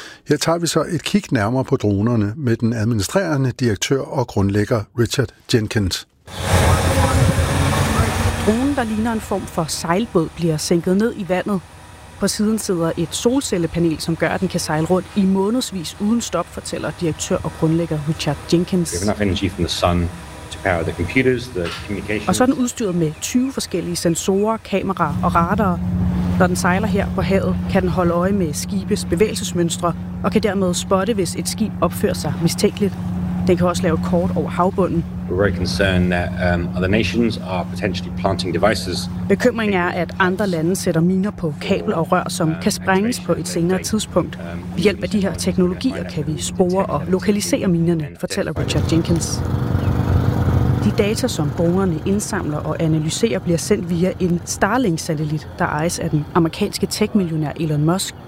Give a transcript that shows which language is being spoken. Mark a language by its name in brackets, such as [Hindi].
[Danish] Her tager vi så et kig nærmere på dronerne med den administrerende direktør og grundlægger Richard Jenkins. Dronen, der ligner en form for sejlbåd, bliver sænket ned i vandet. På siden sidder et solcellepanel, som gør, at den kan sejle rundt i månedsvis uden stop, fortæller direktør og grundlægger Richard Jenkins. [English] We have enough energy from the sun to power the computers, the communications. [Danish] Og så er den udstyret med 20 forskellige sensorer, kameraer og radar. Når den sejler her på havet, kan den holde øje med skibets bevægelsesmønstre og kan dermed spotte, hvis et skib opfører sig mistænkeligt. Den kan også lave kort over havbunden. [English] We're concerned that other nations are potentially planting devices. [Danish] Bekymringen er, at andre lande sætter miner på kabel og rør, som kan sprænges på et senere tidspunkt. Ved hjælp af de her teknologier kan vi spore og lokalisere minerne, fortæller Richard Jenkins. De data, som dronerne indsamler og analyserer, bliver sendt via en Starlink-satellit, der ejes af den amerikanske tech-millionær Elon Musk.